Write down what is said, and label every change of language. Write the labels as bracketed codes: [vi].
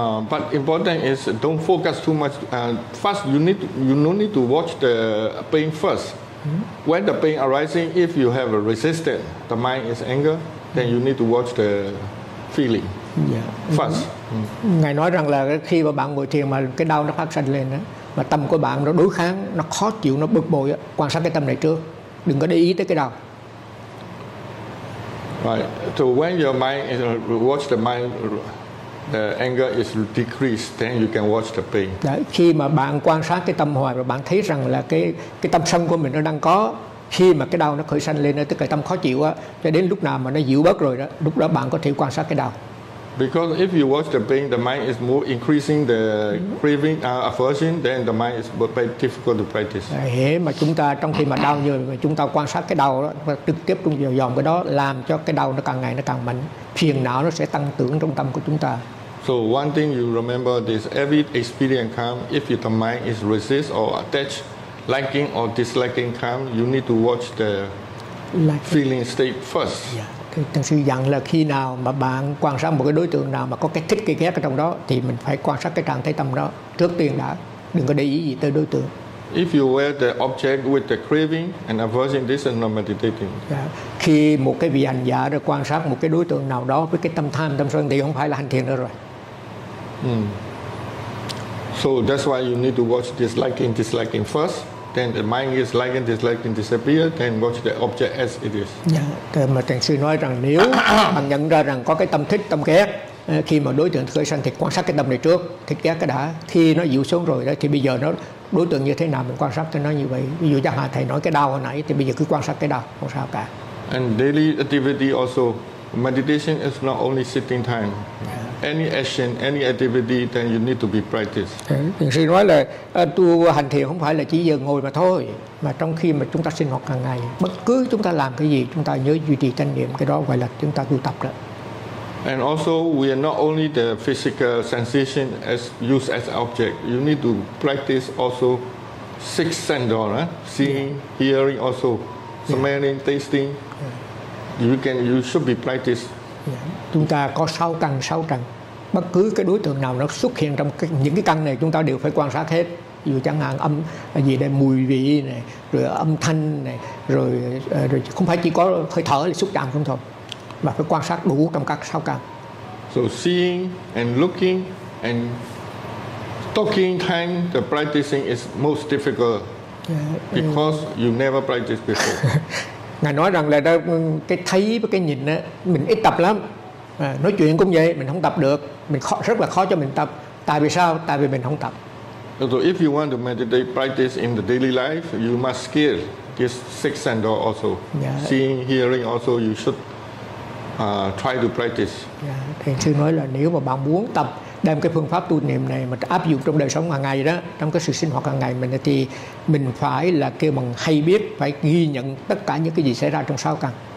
[en] But important is don't focus too much. First, you need to watch the pain first. When the pain arising, if you have a resistance, the mind is anger, then you need to watch the feeling first. [vi] Ngài nói rằng là khi mà bạn ngồi thiền mà cái đau nó phát sinh lên đó, mà tâm của bạn nó đối kháng, nó khó chịu, nó bực bội, quan sát cái tâm này trước, đừng có để ý tới cái đau. [en] Right. So when your mind is watch the mind, the anger is decreased, then you can watch the pain. [vi] Đấy, khi mà bạn quan sát cái tâm hoài và bạn thấy rằng là cái tâm sân của mình nó đang có, khi mà cái đau nó khởi sanh lên, tức là tâm khó chịu á, cho đến lúc nào mà nó dịu bớt rồi đó, lúc đó bạn có thể quan sát cái đau. [en] Because if you watch the pain, the mind is more increasing the craving, aversion, then the mind is very difficult to practice. [vi] Thế mà chúng ta trong khi mà đau như mà chúng ta quan sát cái đau đó, trực tiếp trong dòng cái đó làm cho cái đau nó càng ngày nó càng mạnh, phiền não nó sẽ tăng trưởng trong tâm của chúng ta. [en] So one thing you remember is every experience come, if the mind is resist or attached, liking or disliking come, you need to watch the feeling state first. Yeah. [vi] Thực sự dặn là khi nào mà bạn quan sát một cái đối tượng nào mà có cái thích cái ghét ở trong đó thì mình phải quan sát cái trạng thái tâm đó trước tiên đã, đừng có để ý gì tới đối tượng. [en] If you wear the object with the craving and aversion, this is not meditating. [vi] Khi một cái vị hành giả đã quan sát một cái đối tượng nào đó với cái tâm tham tâm sân thì không phải là hành thiền nữa rồi. [en] So that's why you need to watch this liking disliking first. Then the mind is like and dislike and disappear, then watch the object as it is. Yeah. [vi] Mà thầy sư nói rằng nếu bạn nhận ra rằng có cái tâm thích tâm ghét, khi mà đối tượng khởi sanh thì quan sát cái tâm này trước, thích ghét cái đã, khi nó dịu xuống rồi đó thì bây giờ nó đối tượng như thế nào mình quan sát cho nó như vậy. Ví dụ chẳng hạn thầy nói cái đau hồi nãy thì bây giờ cứ quan sát cái đau không sao cả. [en] And daily activity also, meditation is not only sitting time. Yeah. Any action, any activity, then you need to be practiced. [vi] Thiền sư nói là tu hành thiền không phải là chỉ giờ ngồi mà thôi, mà trong khi mà chúng ta sinh hoạt hàng ngày, bất cứ chúng ta làm cái gì, chúng ta nhớ duy trì chánh niệm, cái đó gọi là chúng ta tu tập đó. [en] And also, we are not only the physical sensation as used as object. You need to practice also six sense, seeing, hearing, also smelling, tasting. You should be practiced. [vi] Chúng ta có sáu căn, sáu trần. Bất cứ cái đối tượng nào nó xuất hiện trong những cái căn này, chúng ta đều phải quan sát hết. Ví dụ chẳng hạn âm gì đây, mùi vị này, rồi âm thanh này, rồi không phải chỉ có hơi thở là xúc chạm không thôi, mà phải quan sát đủ trong các sáu căn. [en] So seeing and looking and talking time, the practicing is most difficult because you never practice before. [vi] Ngài nói rằng là cái thấy với cái nhìn đó, mình ít tập lắm. Nói chuyện cũng vậy, mình không tập được, rất là khó cho mình tập. Tại vì sao? Tại vì mình không tập. [en] So if you want to meditate practice in the daily life, you must skill this six sense also. Yeah. Seeing, hearing also, you should try to practice. Yeah. [vi] Thầy sư nói là nếu mà bạn muốn tập đem cái phương pháp tu niệm này mà áp dụng trong đời sống hàng ngày đó, trong cái sự sinh hoạt hàng ngày mình thì mình phải là kêu bằng hay biết, phải ghi nhận tất cả những cái gì xảy ra trong sáu căn.